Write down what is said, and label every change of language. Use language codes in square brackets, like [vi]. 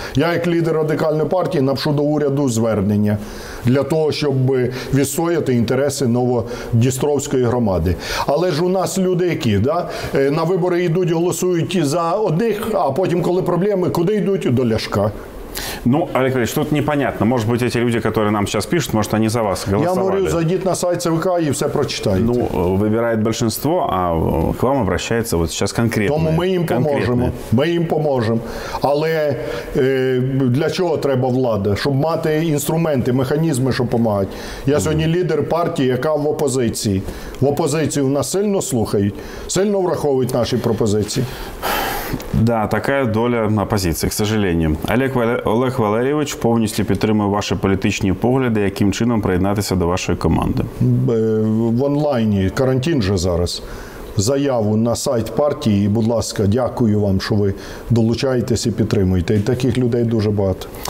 [uk] Я як лідер радикальної партії напишу до уряду звернення для того, щоб відстояти інтереси Новодністровської громади. Але ж у нас люди які, да? На вибори йдуть, голосують за одних, а потім, коли проблеми, куди йдуть? До Ляшка. [ru] Ну, Олег Ильич, тут непонятно. Может быть, эти люди, которые нам сейчас пишут, может, они за вас голосовали. Я говорю, зайдите на сайт ЦВК и все прочитайте. Ну, выбирает большинство, а к вам обращается вот сейчас конкретно. Тому мы им поможем. Мы им поможем. Але для чего [uk] треба влада? [ru] Чтобы мати инструменты, механизмы, чтобы помогать. Я сегодня лидер партии, [uk] яка в опозиции. [ru] В опозиции у нас сильно слушают, сильно враховывают наши пропозиции. Да, такая доля оппозиции, к сожалению. [uk] Олег Валерійович, повністю підтримую ваші політичні погляди, яким чином приєднатися до вашої команди. В онлайні, карантин же зараз. Заяву на сайт партії, і, будь ласка, дякую вам, що ви долучаєтесь і підтримуєте. І таких людей дуже багато.